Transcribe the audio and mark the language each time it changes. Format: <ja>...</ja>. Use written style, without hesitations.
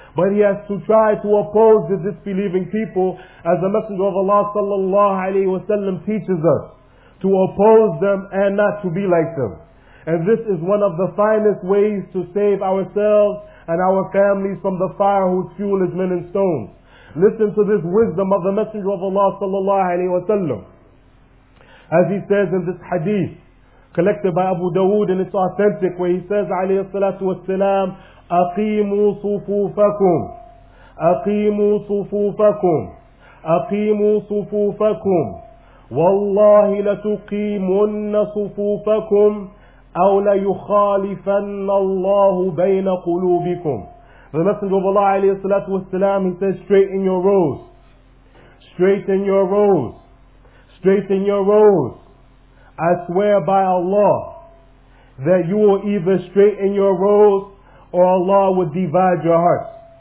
<en>But he has to try to oppose the disbelieving people, as the Messenger of Allah sallallahu alayhi wa sallam teaches us, to oppose them and not to be like them. And this is one of the finest ways to save ourselves and our families from the fire whose fuel is men and stones. Listen to this wisdom of the Messenger of Allah sallallahu alayhi wa sallam. As he says in this hadith, collected by Abu Dawood, and it's authentic, where he says,</en> <ar>عليه الصلاة والسلام, أقيموا صفوفكم, أقيموا صفوفكم, أقيموا صفوفكم, والله لتقيمن صفوفكم أو ليخالفن الله بين قلوبكم.</ar> <en>The Messenger of Allah,</en> <ar>عليه الصلاة والسلام,</ar> <en>he says, straighten your rows, straighten your rows, straighten your rows. I swear by Allah that you will either straighten your rows or Allah will divide your hearts.</en>